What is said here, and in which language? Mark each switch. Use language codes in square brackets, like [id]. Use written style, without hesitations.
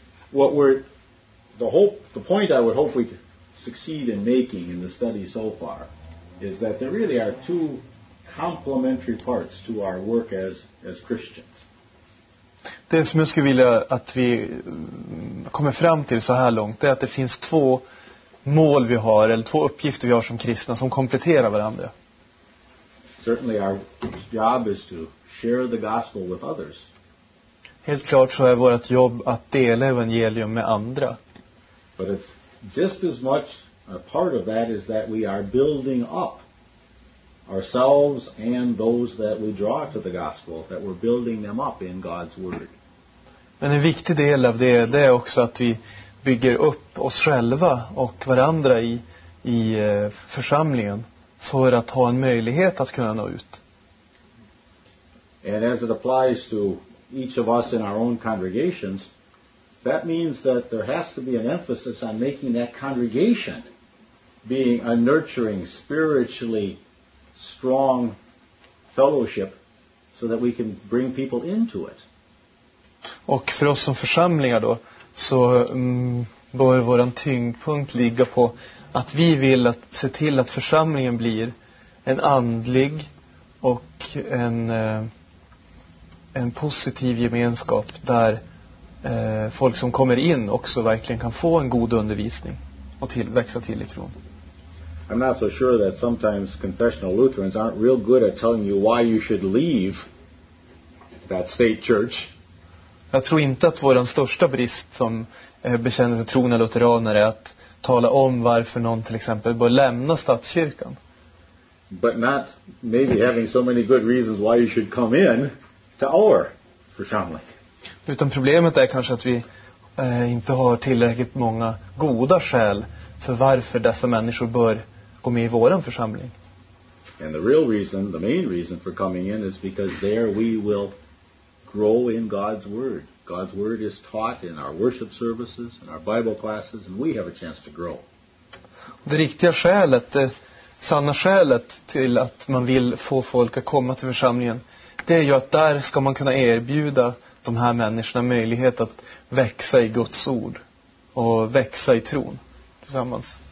[en] What we're the point I would hope we succeed in making in the study so far is that there really are two complementary parts to our work as Christians. [sv] Det som jag skulle vilja att vi kommer fram till så här långt är att det finns två mål vi har, eller två uppgifter vi har som kristna, som kompletterar varandra. [en] Certainly our job is to share the gospel with others. [sv] Helt klart så är vårt jobb att dela evangelium med andra. [en] But it's just as much a part of that is that we are building up ourselves and those that we draw to the gospel, that we're building them up in God's word. [sv] Men en viktig del av det är också att vi bygger upp oss själva och varandra i församlingen för att ha en möjlighet att kunna nå ut. [en] And as it applies to each of us in our own congregations, that means that there has to be an emphasis on making that congregation being a nurturing, spiritually strong fellowship, so that we can bring people into it. [sv] Och för oss som församlingar då, så bör våran tyngdpunkt ligga på att vi vill att se till att församlingen blir en andlig och en positiv gemenskap där folk som kommer in också verkligen kan få en god undervisning och växa till i tron. [en] I'm not so sure that sometimes confessional Lutherans aren't real good at telling you why you should leave that state church. [sv] Jag tror inte att vår största brist som bekännelse trona lutheraner är att tala om varför någon till exempel bör lämna statskyrkan. [en] But not maybe having so many good reasons why you should come in to our församling. [sv] Utan problemet är kanske att vi inte har tillräckligt många goda skäl för varför dessa människor bör gå med i våran församling. [en] And the real reason, the main reason for coming in is because there we will grow in God's word. God's word is taught in our worship services and our Bible classes, and we have a chance to grow. [sv] Det riktiga skälet, det sanna skälet till att man vill få folk att komma till församlingen, det är ju att där ska man kunna erbjuda de här människorna möjlighet att växa i Guds ord och växa i tron tillsammans.